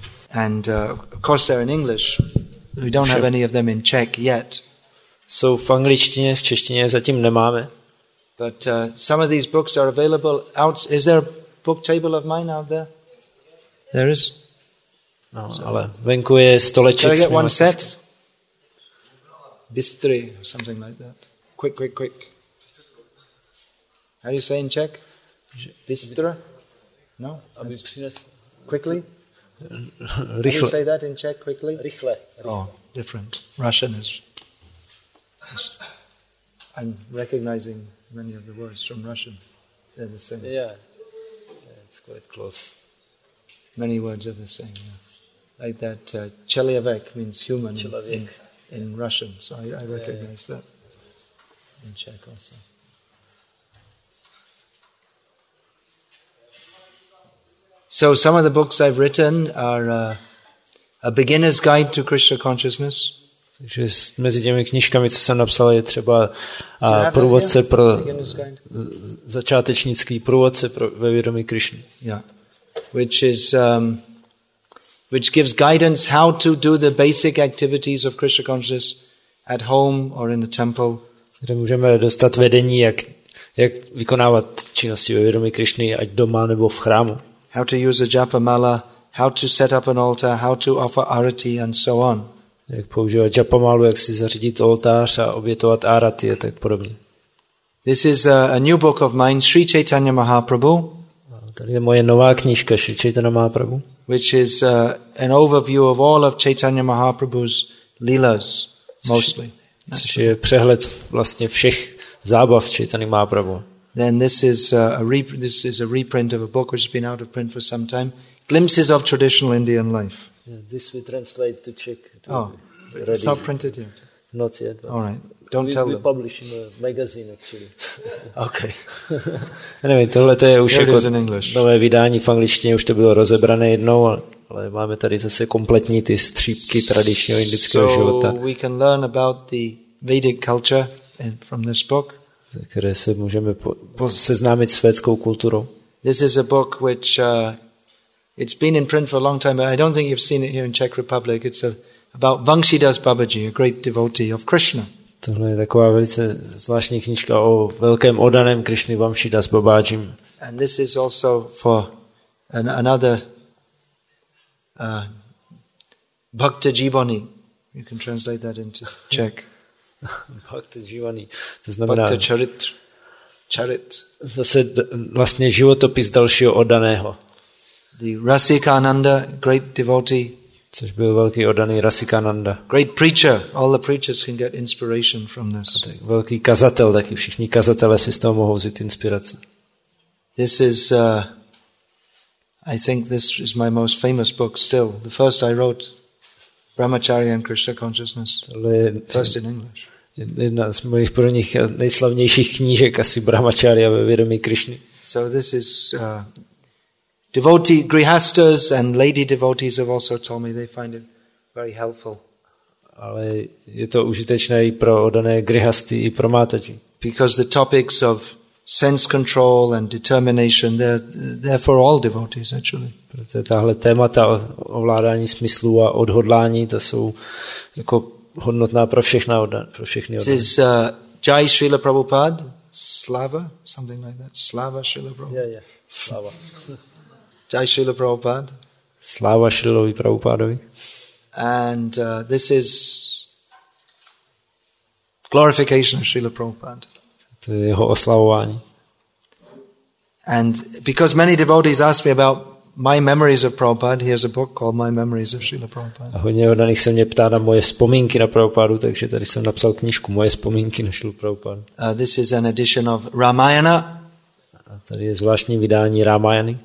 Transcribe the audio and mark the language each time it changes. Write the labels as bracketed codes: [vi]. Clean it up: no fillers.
[en] And of course they're in English. We don't have any of them in Czech yet. [cs] Jsou v angličtině, v češtině zatím nemáme. [en] But some of these books are available out. Is there a book table of mine out there? There is. [cs] No, so, ale venku je stoleček. [en] Can I get one set? Bystry, something like that. Quick, quick, quick. How do you say in Czech? Bystra? No? Quickly? [cs] Rychle. [en] How do you say that in Czech, quickly? [cs] Rychle. [en] Oh, different. Russian is... I'm recognizing many of the words from Russian. They're the same. Yeah, it's quite close. Many words are the same. Yeah. Like that, chelyavek means human in Russian. So I recognize that in Czech also. So some of the books I've written are A Beginner's Guide to Krishna Consciousness. [cs] Takže mezi těmi knížkami, co jsem napsal, je třeba průvodce pro začátečnický průvodce pro ve vědomí Krišny. [en] Yeah. Which is which gives guidance how to do the basic activities of Krishna consciousness at home or in the temple. [cs] Kde můžeme dostat vedení, jak vykonávat činnosti ve vědomí Krišny, ať doma nebo v chrámu. [en] How to use a japa mala, how to set up an altar, how to offer arati and so on. [cs] Jak používat japamalu, jak si zařídit oltář a obětovat árati a tak podobně. [en] This is a new book of mine, Sri Chaitanya Mahaprabhu. [cs] Tady je moje nová knížka, Sri Chaitanya Mahaprabhu. [en] Which is an overview of all of Chaitanya Mahaprabhu's lilas, mostly. [cs] Což je přehled vlastně všech zábav Chaitanya Mahaprabhu. [en] Then this is a reprint of a book which has been out of print for some time, Glimpses of Traditional Indian Life. Yeah, this we translate to Czech. It's not printed yet. Not yet. All right. Don't tell them. We publish in a magazine, actually. Okay. Anyway, [cs] tohle to je už nové vydání v angličtině, už to bylo rozebrané jednou, ale máme tady zase kompletní ty střípky tradičního indického života. [en] So we can learn about the Vedic culture from this book. [cs] Ze které se můžeme seznámit s védskou kulturou. [en] This is a book which it's been in print for a long time, but I don't think you've seen it here in Czech Republic. It's about Vamsidas Babaji, a great devotee of Krishna. [cs] Tohle je taková velice zvláštní knížka o velkém oddaném Krišny Vamsidas Babaji. [en] And this is also for another Bhakta Jivani. You can translate that into Czech. [cs] Bhakta Jivani. To znamená Bhakta Charit. Zase vlastně životopis dalšího oddaného. [en] The Rasikananda, great devotee. [cs] Což byl velký oddaný Rasikananda. [en] Great preacher. All the preachers can get inspiration from this. [cs] Tak velký kazatel, taky všichni kazatelé si z toho mohou vzít inspiraci. [en] This is, I think this is my most famous book still. The first I wrote, Brahmacharya and Krishna Consciousness. First in English. [cs] Jedna z mojich prvních nejslavnějších knížek, asi Brahmacharya ve vědomí Krišny. [en] So this is... Devotee, grihastas and lady devotees have also told me they find it very helpful. [cs] Ale je to užitečné i pro oddané grihasty i pro mataji. [en] Because the topics of sense control and determination, they're for all devotees actually. [cs] Protože tahle témata ovládání smyslu a odhodlání, to jsou jako hodnotná pro všechny oddané. [en] This is Jai Srila Prabhupada, Slava, something like that. [cs] Slava Srila Prabhupada. [en] Yeah, Slava. Jai Srila Prabhupada. [cs] Sláva Srilovi Prabhupádovi. [en] And this is glorification of Srila Prabhupada. [cs] To je jeho oslavování. [en] And because many devotees ask me about My Memories of Prabhupada, here's a book called My Memories of Srila Prabhupada. [cs] A hodně odaných se mě ptá na moje vzpomínky na Prabhupádu, takže tady jsem napsal knížku Moje vzpomínky na Srila Prabhupádu. [en] This is an edition of Ramayana. [cs] A tady je zvláštní vydání Ramayany.